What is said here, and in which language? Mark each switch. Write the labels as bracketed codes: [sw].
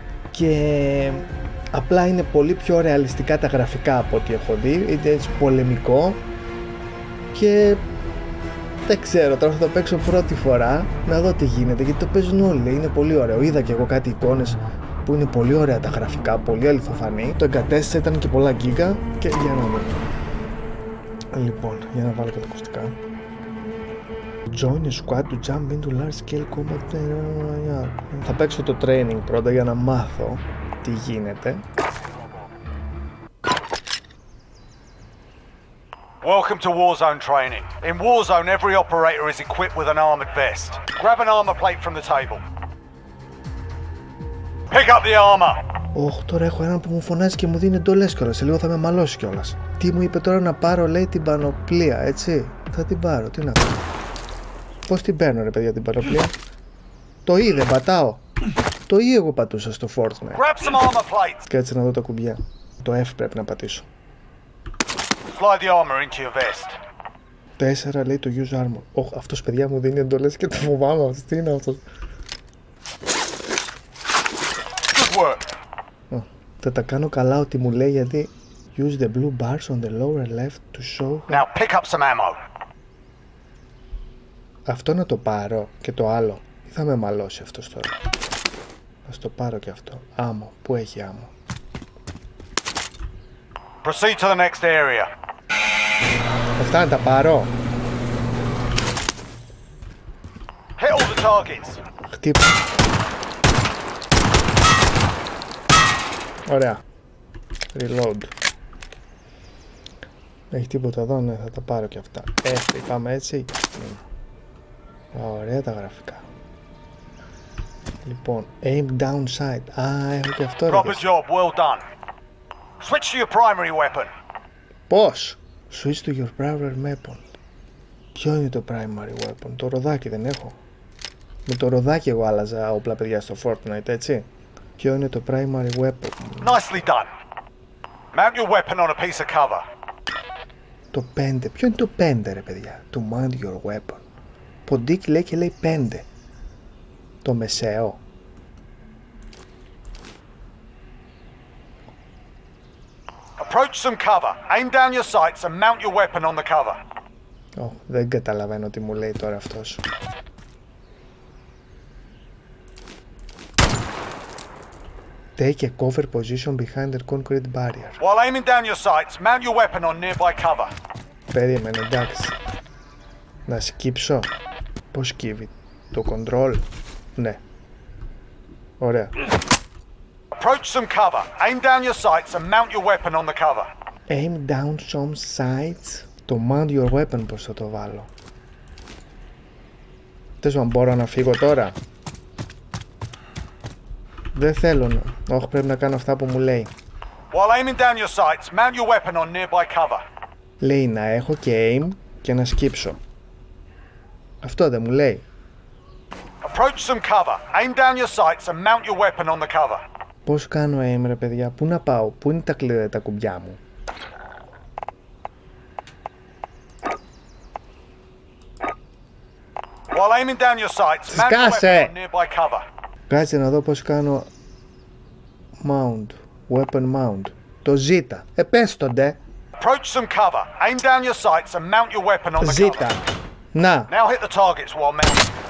[el] Και απλά είναι πολύ πιο ρεαλιστικά τα γραφικά από ό,τι έχω δει, είναι έτσι πολεμικό και δεν ξέρω, τώρα θα το παίξω πρώτη φορά να δω τι γίνεται, γιατί το παίζουν όλοι, είναι πολύ ωραίο. Είδα και εγώ κάτι εικόνες που είναι πολύ ωραία τα γραφικά, πολύ αληθοφανή. Το εγκατέστησα, ήταν και πολλά γίγκα και για να δω. Λοιπόν, για να βάλω και τα ακουστικά. [en] Join a squad to jump into large scale combat. [el] Θα παίξω το training πρώτα για να μάθω τι γίνεται. [en] Welcome to Warzone training. In Warzone every operator is equipped with an armored vest. Grab an armor plate from the table. Pick up the armor. [el] Ωχ, τώρα έχω έναν που μου φωνάζει και μου δίνει εντολές κιόλας. Σε λίγο θα με μαλώσει κιόλας. Τι μου είπε τώρα να πάρω, λέει, την πανοπλία, έτσι. Θα την πάρω, τι να κάνω. Πώς την παίρνω ρε παιδιά την πανοπλία? Το E δεν πατάω? Το E εγώ πατούσα στο Fortnite. [en] Grab some armor plates. [el] Κάτσε να δω τα κουμπιά. Το F πρέπει να πατήσω. [en] Slide the armor into your vest. [el] 4 λέει το [en] use armor. [el] Ωχ, αυτός παιδιά μου δίνει εντολές και το φοβάμαι αυτός. Τι είναι αυτός? Θα τα κάνω καλά ότι μου λέει, γιατί [en] use the blue bars on the lower left to show. Now pick up some ammo. [el] Αυτό να το πάρω και το άλλο. Ή θα με μαλώσει αυτός τώρα? Ας το πάρω και αυτό. Άμμο, πού έχει άμμο? [en] Proceed to the next area. [el] Αυτά να τα πάρω. [en] Hit all the targets. [el] Χτύπω. Ωραία. Reload. Έχει τίποτα εδώ? Ναι, θα τα πάρω και αυτά. Έτσι, πάμε έτσι. Ωραία τα γραφικά. [en] Λοιπόν, aim down sight. [el] Α, έχω και αυτό. [en] Proper job, well done. Switch to your primary weapon. [el] Πώς? [en] Switch to your primary weapon. [el] Ποιο είναι το primary weapon? Το ροδάκι δεν έχω? Με το ροδάκι εγώ άλλαζα όπλα παιδιά στο Fortnite, έτσι. Ποιο είναι το primary weapon? [en] Nicely done. Mount your weapon on a piece of cover. [el] Το 5. Ποιο είναι το 5 ρε παιδιά? [en] To mount your weapon. [el] Ποντίκι λέει και λέει 5. Το μεσαίο. [en] Approach some cover. Aim down your sights and mount your weapon on the cover. [el] Oh, δεν καταλαβαίνω τι μου λέει τώρα αυτός. [en] Take a cover position behind the concrete barrier. While aiming down your sights, mount your weapon on nearby cover. [el] Περίμενε, εντάξει. Να σκύψω. Πώς σκύβει? Το control. Ναι. Ωραία. [en] Approach some cover. Aim down your sights and mount your weapon on the cover. Aim down some sights. [el] Το [en] mount your weapon [el] πώς θα το βάλω? Θες να μπορώ να φύγω τώρα? Δεν θέλω. Όχι, πρέπει να κάνω αυτά που μου λέει. [en] While aiming down your sights, mount your weapon on nearby cover. [el] Λέει να έχω και aim και να σκύψω. Αυτό δεν μου λέει? [en] Approach some cover. Aim down your sights and mount your weapon on the cover. [el] Πώς κάνω aim ρε παιδιά? Πού να πάω? Πού είναι τα κλειδιά τα κουμπιά μου? [en] While aiming down your sights, mount your weapon on nearby cover. [el] Κάτσε να δω πώς κάνω mount, weapon mount. Το ζήτα. Επέστονται. [en] Approach some cover. Aim down your sights and mount your weapon on the cover. [el] Ζήτα. Να. [en] Now hit the targets while mounting.